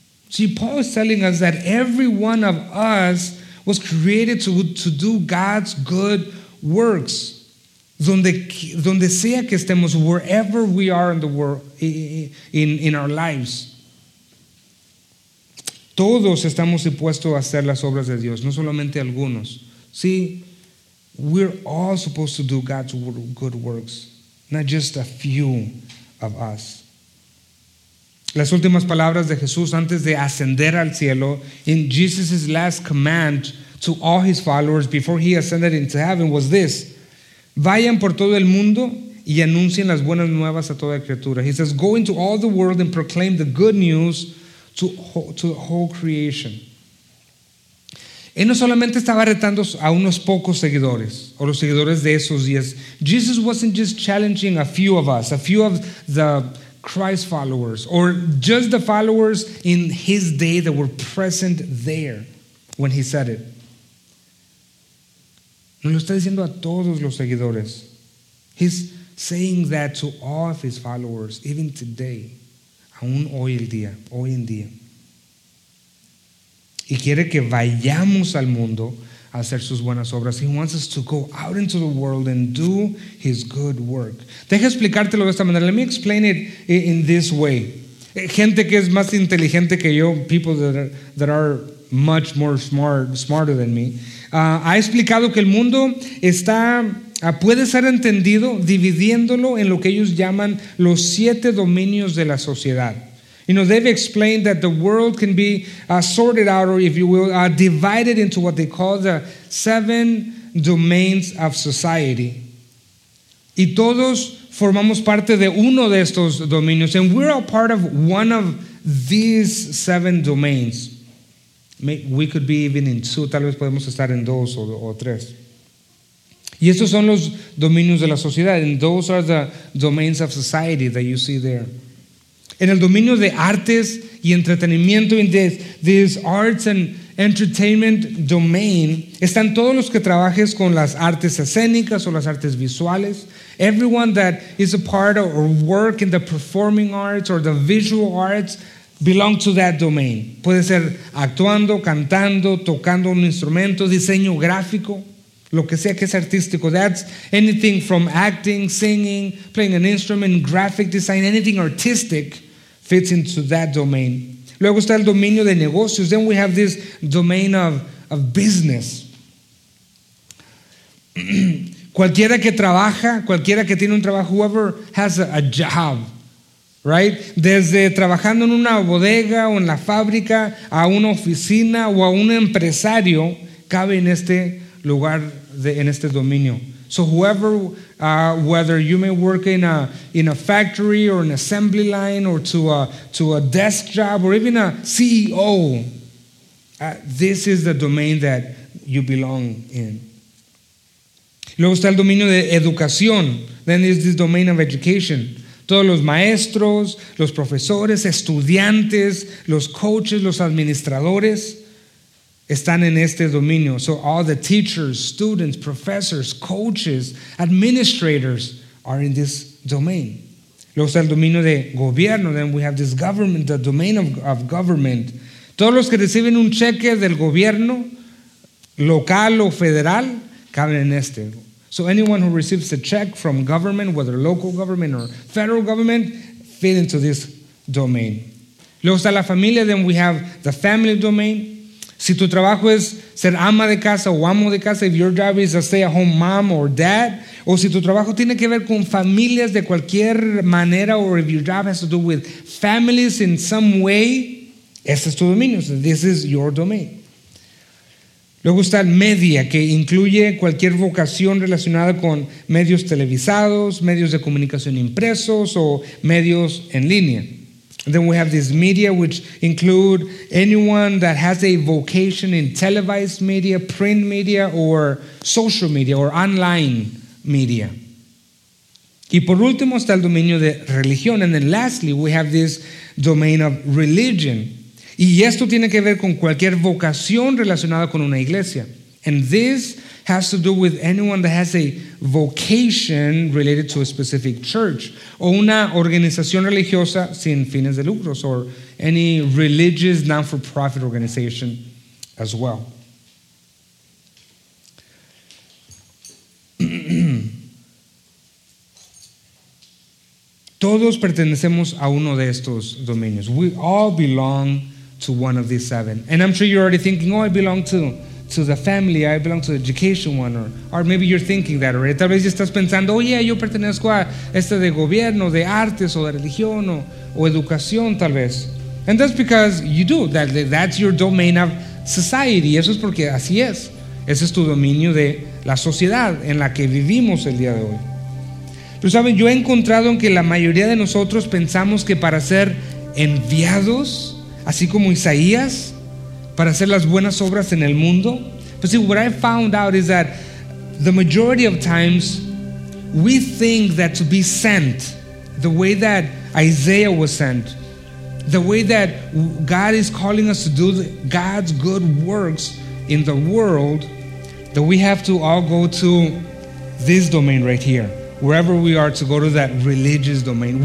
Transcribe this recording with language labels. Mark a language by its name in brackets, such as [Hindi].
[English] See, Paul is telling us that every one of us was created to do God's good works. [Spanish] Donde sea que estemos, [English] wherever we are in the world, in our lives. [Spanish] Todos estamos dispuestos a hacer las obras de Dios, no solamente algunos. [English] See, we're all supposed to do God's good works, not just a few of us. [Spanish] Las últimas palabras de Jesús antes de ascender al cielo, [English] in Jesus' last command to all his followers before he ascended into heaven, was this: [Spanish] vayan por todo el mundo y anuncien las buenas nuevas a toda criatura. [English] He says, go into all the world and proclaim the good news to the whole creation. [Spanish] Él no solamente estaba retando a unos pocos seguidores, o los seguidores de esos días. [English] Jesus wasn't just challenging a few of us, a few of the Christ followers, or just the followers in his day that were present there when he said it. [Spanish] Nos lo está diciendo a todos los seguidores. [English] He's saying that to all of his followers, even today, [Spanish] aún hoy el día, hoy en día. Y quiere que vayamos al mundo a hacer sus buenas obras. [English] He wants us to go out into the world and do his good work. [Spanish] Deja explicártelo de esta manera. [English] Let me explain it in this way. [Spanish] Gente que es más inteligente que yo, [English] people that are much more smarter than me, [Spanish] ha explicado que el mundo está, puede ser entendido dividiéndolo en lo que ellos llaman los siete dominios de la sociedad. [English] You know, they've explained that the world can be sorted out, or if you will, divided into what they call the seven domains of society. [Spanish] Y todos formamos parte de uno de estos dominios. [English] And we're all part of one of these seven domains. We could be even in two. [Spanish] Tal vez podemos estar en dos o tres. Y estos son los dominios de la sociedad. [English] And those are the domains of society that you see there. [Spanish] En el dominio de artes y entretenimiento, [English] in this arts and entertainment domain, [Spanish] están todos los que trabajes con las artes escénicas o las artes visuales. [English] Everyone that is a part of or work in the performing arts or the visual arts belong to that domain. [Spanish] Puede ser actuando, cantando, tocando un instrumento, diseño gráfico, lo que sea que es artístico. [English] That's anything from acting, singing, playing an instrument, graphic design, anything artistic fits into that domain. [Spanish] Luego está el dominio de negocios. [English] Then we have this domain of business. [Spanish] Cualquiera que trabaja, cualquiera que tiene un trabajo, [English] whoever has a job, right? [Spanish] Desde trabajando en una bodega o en la fábrica, a una oficina o a un empresario, cabe en este lugar, en este dominio. [English] So whoever, whether you may work in a factory or an assembly line or to a desk job or even a CEO, this is the domain that you belong in. [Spanish] Luego está el dominio de educación. [English] Then there's this domain of education. [Spanish] Todos los maestros, los profesores, estudiantes, los coaches, los administradores están en este dominio. [English] So all the teachers, students, professors, coaches, administrators are in this domain. [Spanish] Luego está el dominio de gobierno. [English] Then we have this government, the domain of government. [Spanish] Todos los que reciben un cheque del gobierno, local o federal, caben en este. [English] So anyone who receives a check from government, whether local government or federal government, fit into this domain. [Spanish] Luego está la familia, [English] then we have the family domain. [Spanish] Si tu trabajo es ser ama de casa o amo de casa, [English] if your job is a stay-at-home mom or dad, [Spanish] o si tu trabajo tiene que ver con familias de cualquier manera, [English] or if your job has to do with families in some way, [Spanish] ese es tu dominio. [English] So this is your domain. [Spanish] Luego está el media, que incluye cualquier vocación relacionada con medios televisados, medios de comunicación impresos o medios en línea. [English] Then we have this media, which include anyone that has a vocation in televised media, print media, or social media, or online media. [Spanish] Y por último está el dominio de religión. [English] And then lastly, we have this domain of religion. [Spanish] Y esto tiene que ver con cualquier vocación relacionada con una iglesia. [English] And this has to do with anyone that has a vocation related to a specific church [Spanish] o una organización religiosa sin fines de lucros [English] or any religious non-for-profit organization as well. [Spanish] Todos pertenecemos a uno de estos dominios. [English] We all belong to one of these seven. And I'm sure you're already thinking, oh, I belong to the family, I belong to the education one, or maybe you're thinking that, or [Spanish] tal vez ya estás pensando, oh yeah, yo pertenezco a este de gobierno, de artes, o de religión, o educación, tal vez. [English] And that's because you do, that's your domain of society, [Spanish] eso es porque así es, ese es tu dominio de la sociedad en la que vivimos el día de hoy. Pero saben, yo he encontrado en que la mayoría de nosotros pensamos que para ser enviados, así como Isaías, para hacer las buenas obras en el mundo. [English] But see, what I found out is that the majority of times we think that to be sent, the way that Isaiah was sent, the way that God is calling us to do God's good works in the world, that we have to all go to this domain right here, wherever we are, to go to that religious domain.